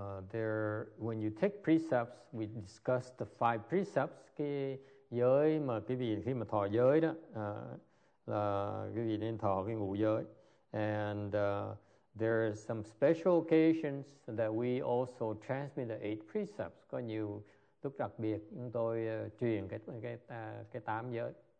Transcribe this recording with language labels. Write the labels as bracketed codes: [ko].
[en] There, when you take precepts, we discuss the five precepts. [vi] Cái giới mà quý vị khi mà thọ giới đó. Là quý vị nên thọ cái ngũ giới. [en] And there are some special occasions that we also transmit the eight precepts. [vi] Có nhiều lúc đặc biệt chúng tôi truyền cái tám giới.